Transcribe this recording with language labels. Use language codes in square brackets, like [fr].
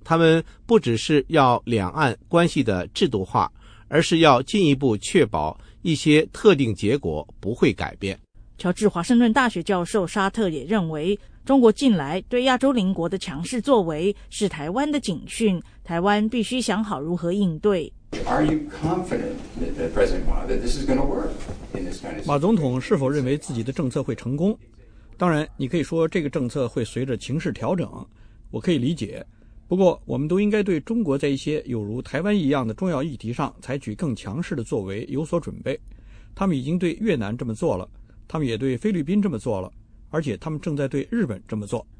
[zh] 他们不只是要两岸关系的制度化，而是要进一步确保一些特定结果不会改变。乔治华盛顿大学教授沙特也认为，中国近来对亚洲邻国的强势作为是台湾的警讯，台湾必须想好如何应对。 [en] Are you confident that President Ma, that this is going to work in this kind of situation? [zh] 马总统是否认为自己的政策会成功？当然，你可以说这个政策会随着情势调整，我可以理解。不过，我们都应该对中国在一些有如台湾一样的重要议题上采取更强势的作为有所准备。他们已经对越南这么做了，他们也对菲律宾这么做了，而且他们正在对日本这么做。